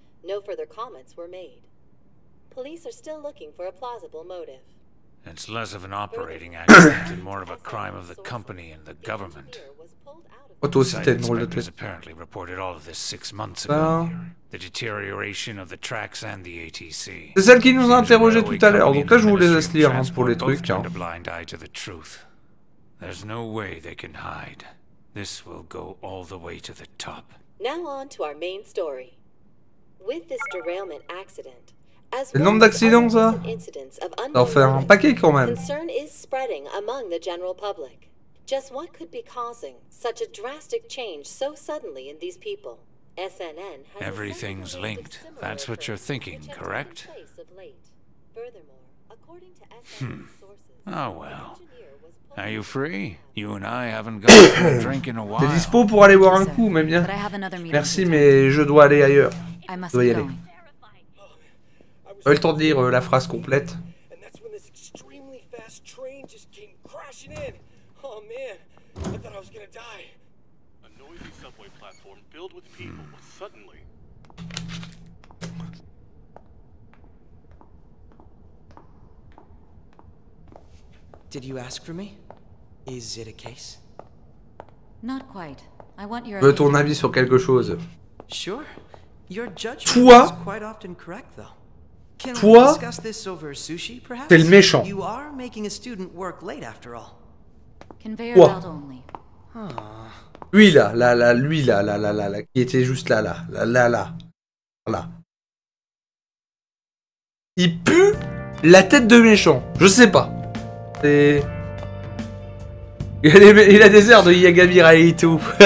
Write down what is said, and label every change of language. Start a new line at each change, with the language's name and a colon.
English: No further comments were made. Police are still looking for a plausible motive. It's less of an operating accident and more of a crime of the company and the government. Apparently reported all of this 6 months ago. The deterioration of the tracks and the ATC.
French: C'est celle qui nous a interrogé tout à l'heure. Donc là, je vous laisse lire hein, pour les trucs.
English: Hein. Blind eye to the truth. There's no way they can hide. This will go all the way to the top. Now on to our main story. With this derailment accident,
French: C'est le nombre d'accidents, ça? Ça en fait un paquet, quand même.
English: Concern is spreading among the general public. Just what could be causing such a drastic change so suddenly in these people? SNN has... Everything's linked. That's what you're thinking, correct? Furthermore, according to SNN sources... Oh well. Are you free? You and I haven't gone for a drink in a while.
French: T'es dispo pour aller boire un coup, mais bien. Merci, mais je dois aller ailleurs. Je dois y aller. J'ai eu le temps de lire la phrase complète.
English: Did you ask for me? Is it a case? Not quite. I want your...
French: Veux ton avis sur quelque chose?
English: Sure. Your judgment is quite often correct, though. Can we discuss this over sushi, perhaps?
French: T'es le méchant.
English: You are making a student work late, after all. Conveyor belt only.
French: Lui là, lui là, qui était juste là, là. Il pue la tête de méchant. Je sais pas. C'est... Il a des airs de Yagami Raito.